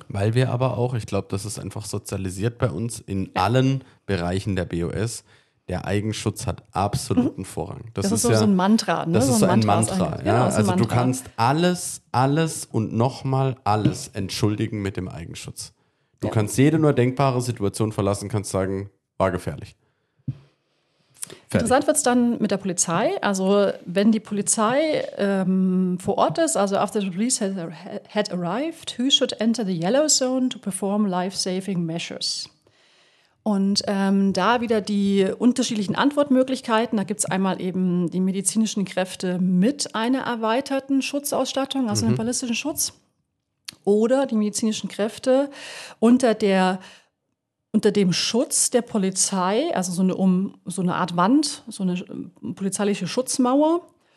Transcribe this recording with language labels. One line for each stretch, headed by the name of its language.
German: Weil wir aber auch, ich glaube, das ist einfach sozialisiert bei uns, in allen Bereichen der BOS, der Eigenschutz hat absoluten Vorrang. Das ist so ein Mantra. Ne? Das so ist so ein Mantra. Also du kannst alles und nochmal alles entschuldigen mit dem Eigenschutz. Du kannst jede nur denkbare Situation verlassen, kannst sagen, war gefährlich. Interessant wird es dann mit der Polizei. Also wenn die Polizei vor Ort ist, also
English: after the police had arrived, who should enter the yellow zone to perform life-saving measures?
German: Und da wieder die unterschiedlichen Antwortmöglichkeiten. Da gibt es einmal eben die medizinischen Kräfte mit einer erweiterten Schutzausstattung, also einem ballistischen Schutz. Oder die medizinischen Kräfte unter dem Schutz der Polizei, also so eine Art Wand, so eine polizeiliche Schutzmauer.